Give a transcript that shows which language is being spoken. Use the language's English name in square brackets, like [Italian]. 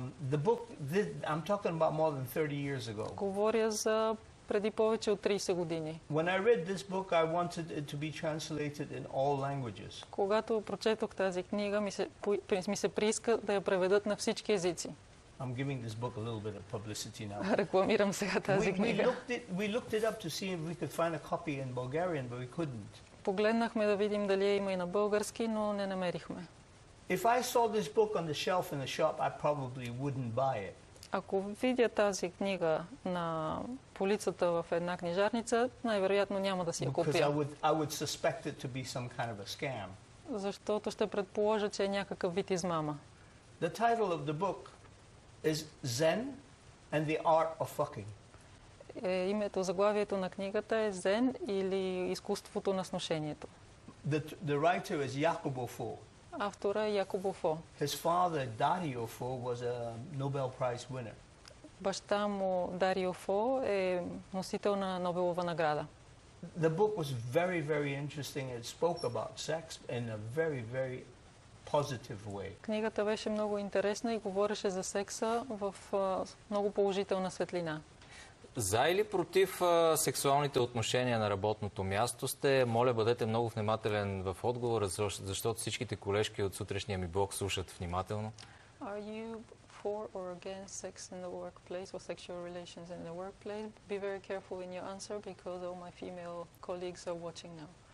[English] The book, I'm talking about more than 30 years ago. [Bulgarian] Говоря за преди повече от 30 години. [English] When I read this book, I wanted it to be translated in all languages. [Bulgarian] Когато прочетох тази книга, ми се прииска да я преведат на всички езици. [English] I'm giving this book a little bit of publicity now. [Bulgarian] Рекламирам сега тази книга. [English] We looked it up to see if we could find a copy in Bulgarian, but we couldn't. [Bulgarian] Погледнахме да видим дали я има и на български, но не намерихме. [English] If I saw this book on the shelf in a shop, I probably wouldn't buy it. [Bulgarian] Ако видя тази книга на полицата в една книжарница, най-вероятно няма да си я купя. [English] Because I would suspect it to be some kind of a scam. [Bulgarian] Защото ще предположа, че е някакъв вид измама. [English] The title of the book is Zen and the Art of Fucking. [Bulgarian] Името, заглавието на книгата е Zen или изкуството на сношението. [English] The writer is Jacobo Fo. [Bulgarian] Автора е Jacobo Fo. [English] His father Dario Fo was a Nobel Prize winner. [Bulgarian] Баща му Дарио Фо е носител на Нобелова награда. [English] The book was very, very interesting. It spoke about sex in a very, very positive way. [Bulgarian] Книгата беше много интересна и говореше за секса в много положителна светлина. За или против сексуалните отношения на работното място сте? Моля, бъдете много внимателен в отговора, защото всичките колежки от сутрешния ми блог слушат внимателно. [English] Are you for or against sex in the workplace or sexual relations in the workplace? Be very careful in your answer because all my female colleagues are watching now.